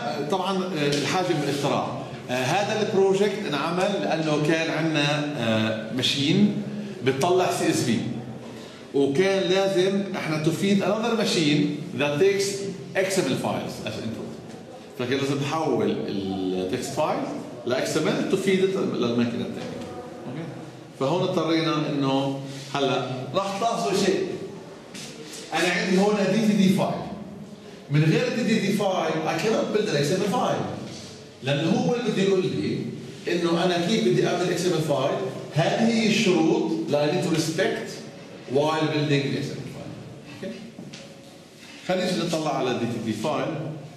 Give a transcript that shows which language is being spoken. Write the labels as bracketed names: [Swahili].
[Arabic] طبعاً الحاجة من الاختراع. هذا البروجكت انعمل لأنه كان عندنا ماشين بتطلع CSV. وكان لازم احنا تفيد [English] another machine that takes XML files as input. [Arabic] فكان لازم تحول التكست فايل ل XML تفيد للماكينة الثانية. فهون اضطرينا انه هلا راح تلاحظوا شيء. انا عندي هون DTD file. من غير [English] DTD file I cannot build an XML file. [Arabic] لانه هو اللي بدي يقول لي انه انا كيف بدي اعمل XML file. هذه هي الشروط اللي [English] I need to respect while building the XML file. [Arabic] خلينا نطلع على DTD file.